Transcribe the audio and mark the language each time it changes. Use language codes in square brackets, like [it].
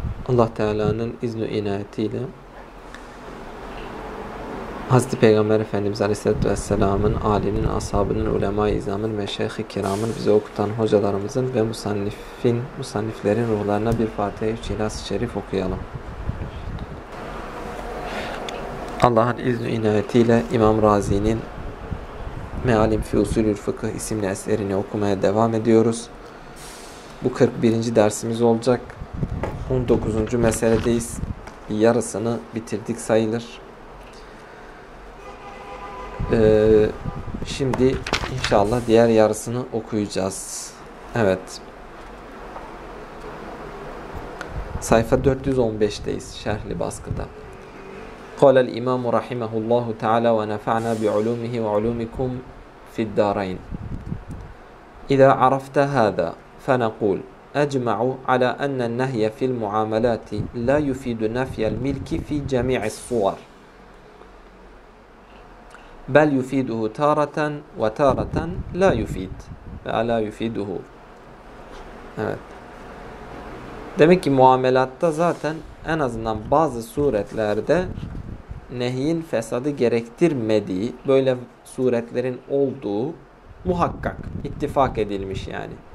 [ar] الله تعالى إذن إنايتي له [tr] Hazreti Peygamber Efendimiz Aleyhisselatü Vesselam'ın, âlinin, ashabının, ulema-i izamın ve şeyh-i kiramın, bize okutan hocalarımızın ve musanniflerin ruhlarına bir Fatiha-i İhlas-ı Şerif okuyalım. Allah'ın izni inayetiyle İmam Razi'nin Mealim fi Usulü'l Fıkıh isimli eserini okumaya devam ediyoruz. Bu 41. dersimiz olacak. 19. meseledeyiz. Yarısını bitirdik sayılır. Şimdi inşallah diğer yarısını okuyacağız. Evet. Sayfa 415'teyiz şerhli baskıda. [ar] قال الإمام رحمه الله تعالى ونفعنا بعلومه وعلومكم في الدارين إذا عرفت هذا فنقول أجمع على أن النهي في المعاملات لا يفيد نفي الملك في جميع الصور بل يفيده تارة وتارة لا يفيد فلا يفيده. [tr] Evet. Demek ki muamelatta zaten en azından bazı suretlerde nehyin fesadı gerektirmediği, böyle suretlerin olduğu muhakkak ittifak edilmiş yani.